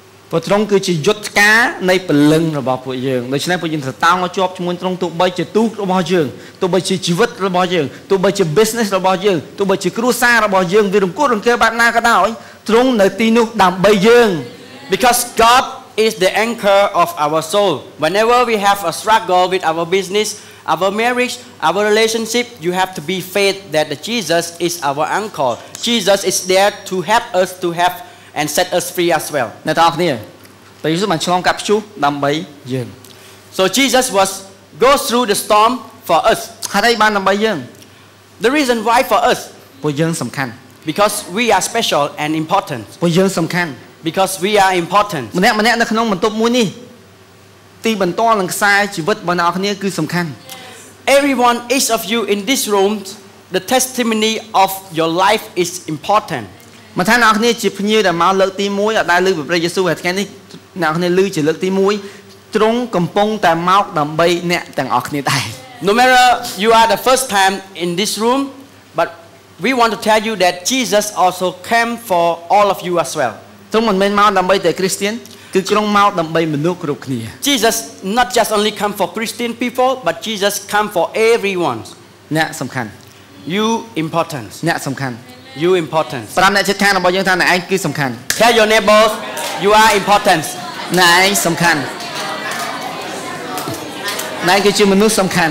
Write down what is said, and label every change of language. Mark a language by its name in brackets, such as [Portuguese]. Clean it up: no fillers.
[Khmer] ព្រោះទ្រង់គឺជាយុទ្ធការនៃព្រលឹងរបស់ពួកយើងដូច្នេះពួកយើងត្រូវតោងឲ្យជាប់ជាមួយទ្រង់ទោះបីជាទូករបស់យើងទោះបីជាជីវិតរបស់យើងទោះបីជា business របស់យើងទោះបីជាគ្រួសាររបស់យើងវារង្គោះរង្គើបែបណាក៏ដោយត្រង់នៅទីនោះដើម្បីយើង [English] because God is the anchor of our soul whenever we have a struggle with our business our marriage our relationship you have to be faith that the Jesus is our anchor Jesus is there to help us to have and set us free as well [Khmer] អ្នកទាំងអស់គ្នាព្រះយេស៊ូវបានឆ្លងកាត់ព្យុះដើម្បីយើង [English] so Jesus was go through the storm for us [Khmer] ហើយបានដើម្បីយើង [English] the reason why for us [Khmer] ពួកយើងសំខាន់ [English] Because we are special and important. [Khmer] ពួកយើងសំខាន់ [English] Because we are important. [Khmer] ម្នាក់ម្នាក់នៅក្នុងបន្ទប់មួយនេះទីបន្ទាល់នឹងខ្សែជីវិតរបស់អ្នកគ្នាគឺសំខាន់ [English] Everyone each of you in this room the testimony of your life is important. [Khmer] មកថាអ្នកគ្នាជាភ្ញៀវដែលមកលើកទី1អត់ដែលលើកព្រះយេស៊ូវថ្ងៃនេះអ្នកគ្នាលើកជាលើកទី1ត្រង់កំពុងតែមកដើម្បីអ្នកទាំងអស់គ្នាដែរ [English] No matter you are the first time in this room butWe want to tell you that Jesus also came for all of you as well. [Khmer] ទ្រង់មិនមែនមកដើម្បីតែគ្រីស្ទានគឺទ្រង់មកដើម្បីមនុស្សគ្រប់គ្នា [English] Jesus not just only come for Christian people but Jesus come for everyone. [Khmer] អ្នកសំខាន់ [English] You important. [Khmer] អ្នកសំខាន់ [English] You important. [Khmer] ប្រាប់អ្នកជិតខាងរបស់យើងថាអ្នកឯងគឺសំខាន់ [English] Tell your neighbors you are important. [Khmer] អ្នកឯងសំខាន់អ្នកគឺជាមនុស្សសំខាន